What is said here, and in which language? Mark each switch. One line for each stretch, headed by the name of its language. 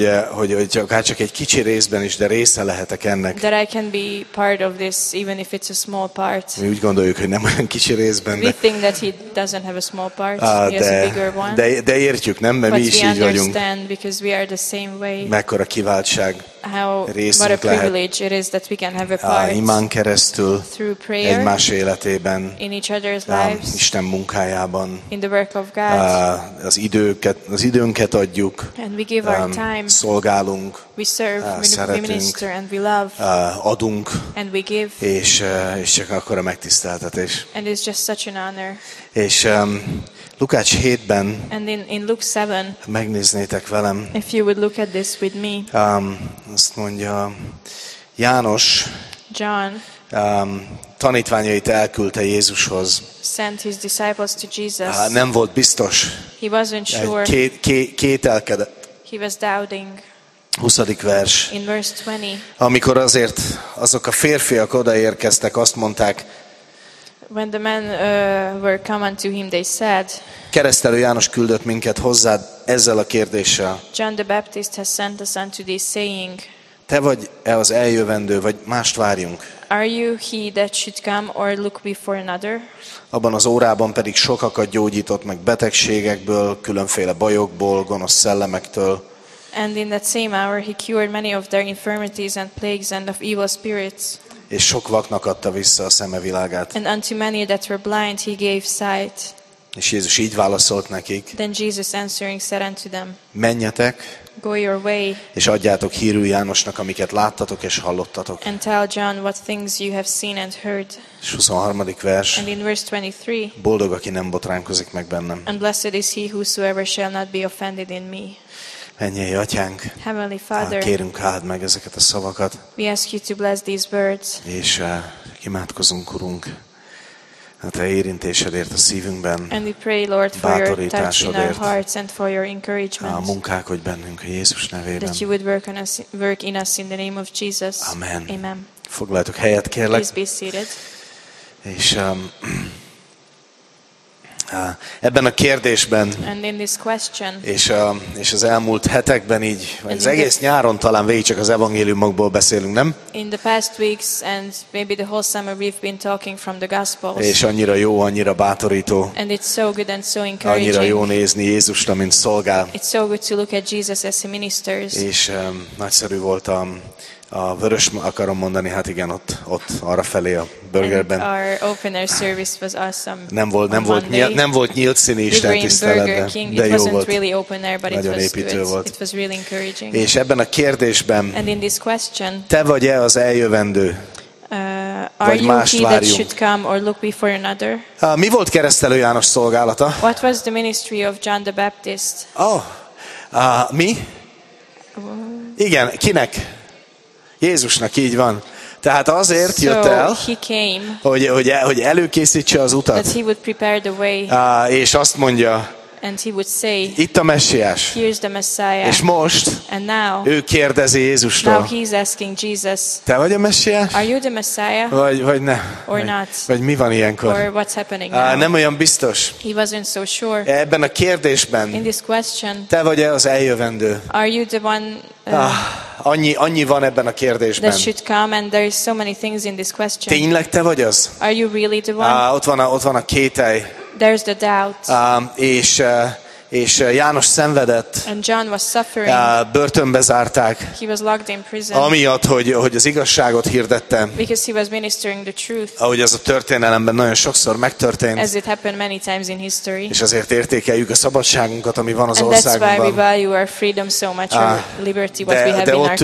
Hungarian: Hogy csak egy kicsi részben is, de része lehetek ennek.
English: That I can be part of this even if it's a small part.
Hungarian: Mi úgy gondoljuk, hogy nem olyan kicsi részben.
English: We think that he doesn't have a small part. He has a bigger one.
Hungarian: De értjük, nem, mert
English: but
Hungarian: mi is így vagyunk.
English: But we understand because we are the same way.
Hungarian: Mekkora kiváltság.
English: How what a privilege it is that we can have a part.
Hungarian: Imán keresztül
English: through prayer,
Hungarian: egymás életében.
English: In each other's lives.
Hungarian: Isten munkája.
English: In the work of God.
Hungarian: Az időnket adjuk.
English: And we give our time.
Hungarian: Szolgálunk.
English: We serve,
Hungarian: szeretünk,
English: we minister and we love.
Hungarian: Adunk.
English: And we give.
Hungarian: És csak akkor a megtiszteltetés.
English: And it's just such an honor.
Hungarian: És Lukács 7-ben.
English: And in Luke 7.
Hungarian: Megnéznétek velem.
English: If you would look at this with me.
Hungarian: Azt mondja János.
English: John.
Hungarian: Tanítványait elküldte Jézushoz.
English: Sent his disciples to Jesus.
Hungarian: Nem volt biztos.
English: He wasn't sure.
Hungarian: Kételkedett.
English: He was doubting.
Hungarian: 20. vers.
English: In verse 20.
Hungarian: Amikor azért azok a férfiak odaérkeztek, azt mondták.
English: When the men were come unto him, they said.
Hungarian: Keresztelő János küldött minket hozzád ezzel a kérdéssel.
English: John the Baptist has sent us unto thee saying.
Hungarian: Te vagy-e az eljövendő, vagy mást várjunk?
English: Are you he that should come or look before another?
Hungarian: Abban az órában pedig sokakat gyógyított meg betegségekből, különféle bajokból, gonosz szellemektől.
English: And in that same hour he cured many of their infirmities and plagues and of evil spirits.
Hungarian: És sok vaknak adta vissza a szeme világát.
English: And unto many that were blind he gave sight.
Hungarian: És Jézus így válaszolt nekik.
English: Then Jesus answering said unto them.
Hungarian: Menjetek.
English: Go your way.
Hungarian: És adjátok hírű Jánosnak, amiket láttatok és hallottatok.
English: And tell John what things you have seen and heard.
Hungarian: És 23. vers.
English: And in verse 23.
Hungarian: Boldog, aki nem botránkozik meg bennem.
English: And blessed is he whosoever shall not be offended in me.
Hungarian: Mennyei Atyánk,
English: Heavenly Father,
Hungarian: kérünk, áld meg ezeket a szavakat.
English: We ask you to bless these words.
Hungarian: És imádkozunk, Urunk, a Te érintésedért a szívünkben,
English: and we pray, Lord, for your touch in our hearts and for your encouragement.
Hungarian: A munkák, hogy bennünk a Jézus nevében.
English: That you would work, on us, work in us in the name of Jesus. Amen. Amen.
Hungarian: Foglaljatok helyet, kérlek.
English: Please be seated.
Hungarian: És ebben a kérdésben,
English: and in this question,
Hungarian: és az elmúlt hetekben így, vagy az egész nyáron talán végig csak az evangéliumokból beszélünk, nem?
English: In the past weeks and maybe the whole summer we've been talking from the Gospels.
Hungarian: És annyira jó, annyira bátorító.
English: And it's so good and so encouraging.
Hungarian: Annyira jó nézni Jézusra, mint szolgál.
English: It's so good to look at Jesus as he ministers.
Hungarian: És nagyszerű voltam. A vörös, akarom mondani, hát igen, ott arra felé a burgerben.
English: Our open air service was awesome.
Hungarian: Nem volt nyílt színű istentisztelet, de jó volt.
English: Really open air, but
Hungarian: nagyon
English: it was
Hungarian: építő
English: good.
Hungarian: Volt.
English: It was really encouraging.
Hungarian: És ebben a kérdésben,
English: and in this question,
Hungarian: te vagy-e az eljövendő?
English: Are you he that should come or look before another?
Hungarian: Mi volt Keresztelő János szolgálata?
English: What was the ministry of John the Baptist?
Hungarian: Mi? Igen, kinek? Jézusnak, így van. Tehát azért jött el, hogy előkészítse az utat.
English: That he would prepare the way.
Hungarian: És azt mondja,
English: and he would say,
Hungarian: itt a Messiás.
English: Here's the Messiah.
Hungarian: És most,
English: and now,
Hungarian: ő kérdezi Jézustól.
English: Now he's asking Jesus,
Hungarian: te vagy a Messiás?
English: Are you the Messiah?
Hungarian: Vagy ne?
English: Or not?
Hungarian: Vagy mi van ilyenkor?
English: Or what's happening now?
Hungarian: Nem olyan biztos.
English: He wasn't so sure.
Hungarian: Ebben a kérdésben,
English: in this question,
Hungarian: te vagy az eljövendő?
English: Are you the one?
Hungarian: Annyi van ebben a kérdésben.
English: That should come, and there is so many things in this question.
Hungarian: Tényleg te vagy az?
English: Are you really the one?
Hungarian: Ott van a kételj.
English: There's the doubt.
Hungarian: És János szenvedett.
English: And John was suffering.
Hungarian: Börtönbe zárták.
English: He was locked in prison.
Hungarian: Amiatt, hogy az igazságot hirdette.
English: Because he was ministering the truth.
Hungarian: Ahogy az a történelemben nagyon sokszor megtörtént.
English: As it happened many times in history.
Hungarian: És azért értékeljük a szabadságunkat, ami van az országunkban.
English: And that's why we value our freedom so much, our liberty, what we have in our country.